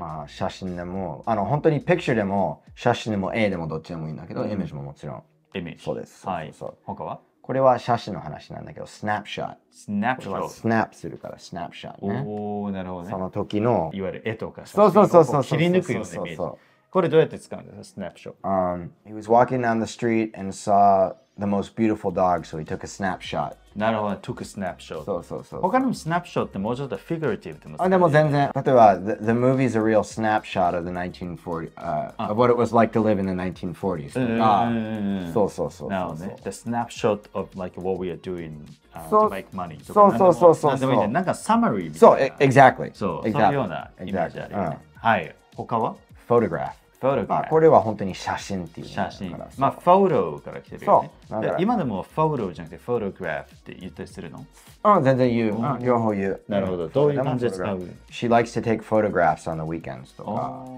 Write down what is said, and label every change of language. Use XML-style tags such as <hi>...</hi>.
<ja>まあ、写真でも、あの、本当に Picture でも写真でも絵でもどっちでもいいんだけど、うん、Image ももちろん</ja> <en>Image。</en> <ja>そうです、はい、そうそう。他は？これは写真の話なんだけど、スナップショット。スナップショット。スナップするから、スナップショットね。おお、なるほどね。その時の。いわゆる絵とか写真を。そうそうそうそう。切り抜くようなイメージ。これどうやって使うんですか、スナップショット。</ja> <en>He was walking down the street and saw the most beautiful dog, so he took a snapshot.</en> <ja>なるほど、</ja> <en>took a snapshot.</en> <ja>そうそうそう。他のスナップショットってもうちょっとフィギュラティブでも使う。あ、でも全然。</ja> <en>例えば、the movie's a real snapshot of the 1940s, of what it was like to live in the 1940s.</en> <ja>そうそうそう。なるほどね。</ja> <en>The snapshot of like what we are doing to make money.</en> <ja>そうそうそうそう。なんでもいいね。なんかサマリーみたいな。そう、exactly. そう、そういうようなイメージあるよね。はい。他は？</ja> <en>Photograph。</en> <ja>photograph、まあ、これは本当に写真っていう写真、まあ、photo から来てるよね。そう、今でも photo じゃなくて photograph って言ったりするの？あ、全然言う、うん、両方言う。なるほど、どういう感じで使う？</ja> <en>She likes to take photographs on the weekends とか。</en>